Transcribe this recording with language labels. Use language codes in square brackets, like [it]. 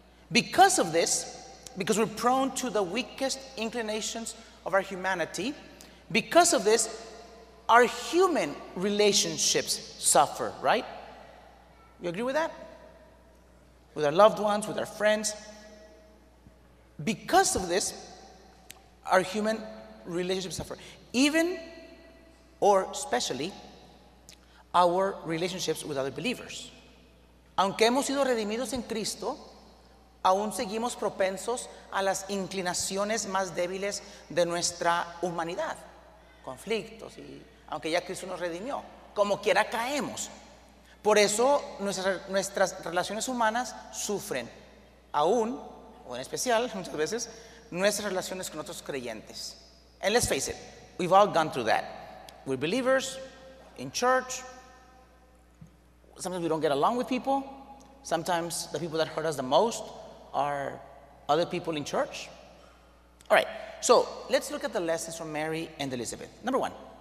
[en] Because of this, because we're prone to the weakest inclinations of our humanity, because of this, our human relationships suffer, right? You agree with that? With our loved ones, with our friends. Because of this, our human relationships suffer. Even, or especially, our relationships with other believers. [es] Aunque hemos sido redimidos en Cristo, aún seguimos propensos a las inclinaciones más débiles de nuestra humanidad. Conflictos y aunque ya Cristo nos redimió, como quiera caemos. Por eso nuestras relaciones humanas sufren, aún, o en especial, muchas veces, nuestras relaciones con otros creyentes. [en] And let's face it, we've all gone through that. We're believers, in church. Sometimes we don't get along with people. Sometimes the people that hurt us the most are other people in church. All right, so let's look at the lessons from Mary and Elizabeth. Number one.